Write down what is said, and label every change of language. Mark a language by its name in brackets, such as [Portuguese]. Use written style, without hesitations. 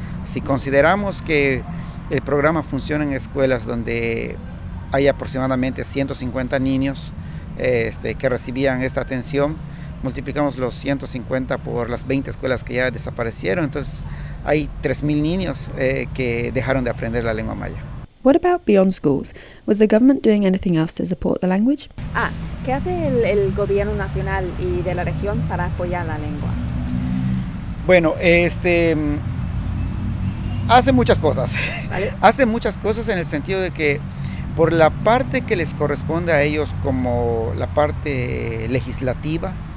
[Spanish] Si consideramos que el programa funciona en escuelas donde hay aproximadamente 150 niños que recibían esta atención, multiplicamos los 150 por las 20 escuelas que ya desaparecieron, entonces hay 3,000 niños que dejaron de aprender la lengua maya. [English] What about beyond schools? Was the government doing anything else to support the language? [Spanish] ¿Qué hace el gobierno nacional y de la región para apoyar la lengua? Bueno, hace muchas cosas. ¿Vale? Hace muchas cosas en el sentido de que por la parte que les corresponde a ellos como la parte legislativa,